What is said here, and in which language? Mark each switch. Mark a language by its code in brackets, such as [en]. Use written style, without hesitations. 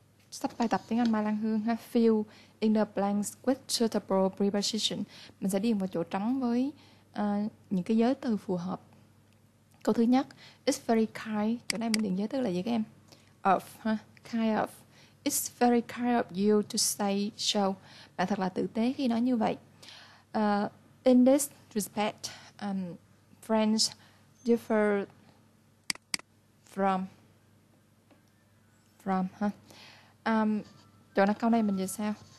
[vi] Sách bài tập tiếng Anh Mai Lan Hương ha. [en] Fill in the blanks with suitable preposition. [vi] Mình sẽ điền vào chỗ trống với những cái giới từ phù hợp. Câu thứ nhất, [en] it's very kind. [vi] Chỗ này mình điền giới từ là gì các em? [en] Of ha, kind of. It's very kind of you to say so. [vi] Bạn thật là tử tế khi nói như vậy. [en] In this respect, French differ from. [vi] From ha. Chỗ này câu này mình dịch sao?